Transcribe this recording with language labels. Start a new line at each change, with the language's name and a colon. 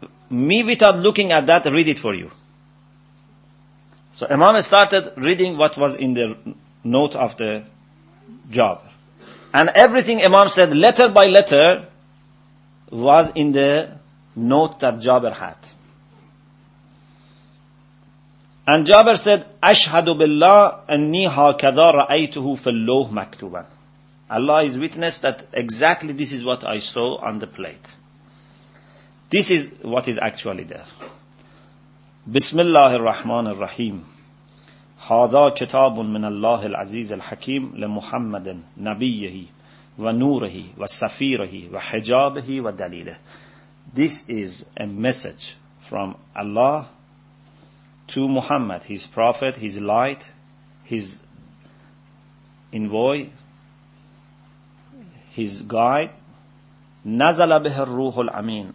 English: me without looking at that, read it for you. So Imam started reading what was in the note of the job. And everything Imam said, letter by letter, was in the note that Jabir had. And Jabir said,
Arabic: أَشْهَدُ بِاللَّهِ أَنِّي هَكَذَا رَأَيْتُهُ فِي اللَّهِ مَكْتُوبًا.
English: Allah is witness that exactly this is what I saw on the plate. This is what is actually there.
Arabic: بسم الله الرحمن الرحيم هذا كتاب من الله العزيز الحكيم لمحمد نبيه ونوره وسفيره وحجابه ودليله.
English: This is a message from Allah to Muhammad, his prophet, his light, his envoy, his guide.
Arabic: نزل به الروح الأمين.